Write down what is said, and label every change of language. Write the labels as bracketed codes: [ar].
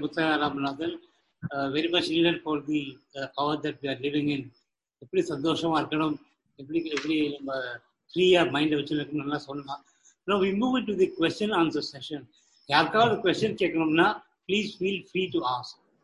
[en] Muthaiah Ramanathan, very much needed for the hour that we are living in. [ta] எப்படி சந்தோஷமா இருக்கணும், எப்படி எப்படி நம்ம ஃப்ரீயா மைண்ட் வச்சிருக்கணும் நல்லா சொல்லலாம். [en] Now we move into the question answer session. [ta] யாருக்காவது [en] question [ta] கேட்கணும்னா [en] please feel free to ask.